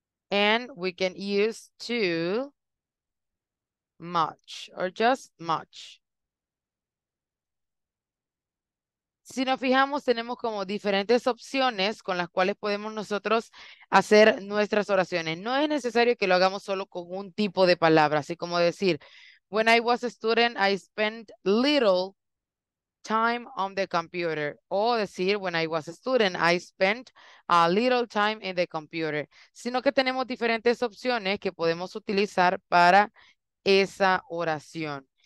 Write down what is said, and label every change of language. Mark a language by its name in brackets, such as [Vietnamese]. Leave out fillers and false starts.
[English] And we can use too much or just much. [Spanish] Si nos fijamos, tenemos como diferentes opciones con las cuales podemos nosotros hacer nuestras oraciones. No es necesario que lo hagamos solo con un tipo de palabra, así como decir, [English] when I was a student, I spent little time on the computer. [Spanish] O decir, [English] when I was a student, I spent a little time in the computer. [Spanish] Sino que tenemos diferentes opciones que podemos utilizar para esa oración.